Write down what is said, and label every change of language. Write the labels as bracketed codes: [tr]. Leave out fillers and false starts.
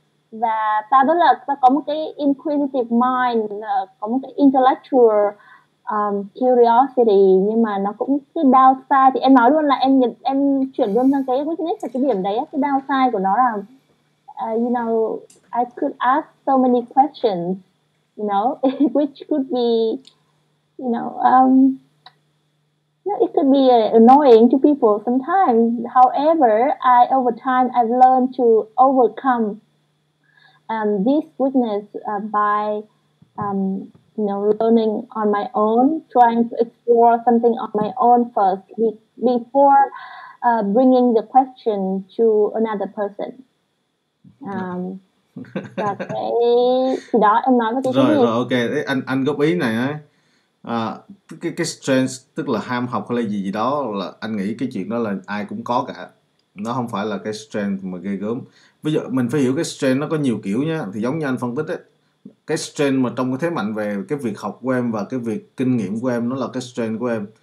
[vi] và ta có một cái [en] inquisitive mind, [vi] có một cái [en] intellectual curiosity, [vi] nhưng mà nó cũng cái downside thì em nói luôn là em chuyển luôn sang cái weakness, cái điểm đấy á, cái downside của nó là [en] you know I could ask so many questions, you know, which could be, you know, it could be annoying to people sometimes. However, I over time I've learned to overcome this weakness by you know, learning on my own, trying to explore something on my own first before bringing the question to another person. [vi] Thì đó em nói với cái rồi rồi ok đấy, anh góp ý này á. Cái strength tức là ham học hay là gì gì đó, là anh nghĩ cái chuyện đó là ai cũng có cả, nó không phải là cái strength mà ghê gớm. Bây giờ mình phải hiểu cái strength nó có nhiều kiểu nha. Thì giống như anh phân tích ấy, cái strength mà trong cái thế mạnh về cái việc học của em và cái việc kinh nghiệm của em, nó là cái strength của em.